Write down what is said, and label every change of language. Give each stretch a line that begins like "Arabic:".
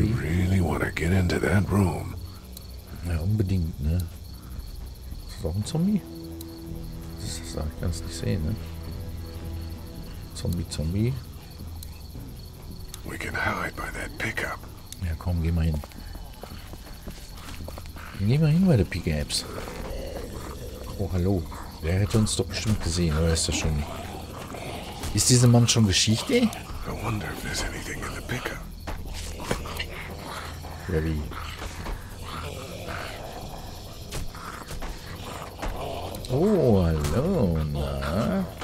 English: They really want to get into that room.
German: Ja, unbedingt, ne? Ist das auch ein Zombie? Das ist auch, ich kann's nicht sehen, ne? Zombie, Zombie.
English: We can hide by that pickup.
German: Ja, komm, geh mal hin. Geh mal hin bei der Pickups. Oh, hallo. Der hätte uns doch bestimmt gesehen, oder ist das schon... Ist dieser Mann schon Geschichte?
English: I wonder if there's anything in the pickup.
German: Ja, wie? Oh, hallo, na?